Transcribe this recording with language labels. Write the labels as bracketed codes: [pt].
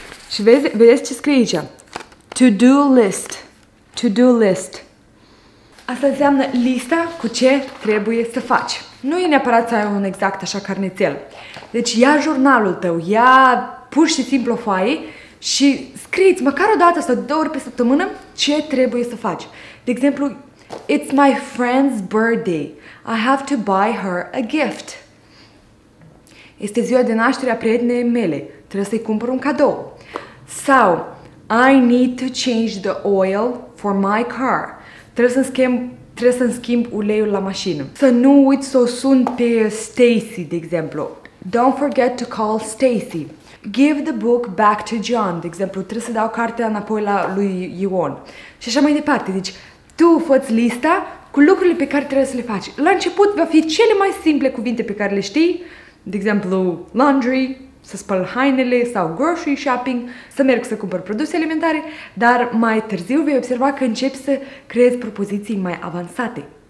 [ro] Și vedeți ce scrie aici? To-do list. To-do list. Asta înseamnă lista cu ce trebuie să faci. Nu e neapărat să ai un exact așa carnețel. Deci ia jurnalul tău, ia pur și simplu o foaie și scrieți măcar o dată sau două ori pe săptămână ce trebuie să faci. De exemplu, [en] it's my friend's birthday. I have to buy her a gift. [ro] Este ziua de naștere a prietenei mele. Trebuie să-i cumpăr un cadou. [en] Sau, I need to change the oil for my car. [ro] Trebuie să-mi schimb uleiul la mașină. Să nu uiți să o sun pe Stacy, de exemplu. [en] Don't forget to call Stacy. Give the book back to John, [ro] de exemplu. Trebuie să dau cartea înapoi la lui Ion. Și așa mai departe. Deci, tu fă-ți lista cu lucrurile pe care trebuie să le faci. La început va fi cele mai simple cuvinte pe care le știi. De exemplu, laundry, să spăl hainele sau grocery shopping, să merg să cumpăr produse alimentare, dar mai târziu vei observa că începi să creezi propoziții mai avansate.